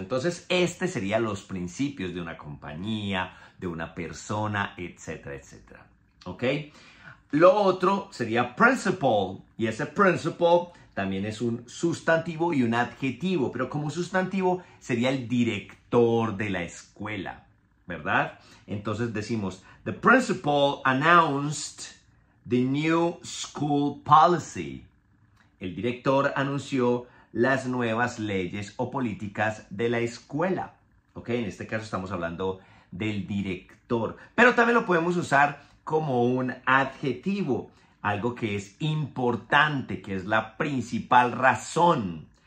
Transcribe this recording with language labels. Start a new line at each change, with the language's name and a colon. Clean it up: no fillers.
Spanish: Entonces, este sería los principios de una compañía, de una persona, etcétera, etcétera. ¿Ok? Lo otro sería principle, y ese principle también es un sustantivo y un adjetivo, pero como sustantivo sería el director de la escuela, ¿verdad? Entonces decimos,
English: the principal announced the new school policy.
Spanish: El director anunció las nuevas leyes o políticas de la escuela. Ok, en este caso estamos hablando del director, pero también lo podemos usar como un adjetivo, algo que es importante, que es la principal razón.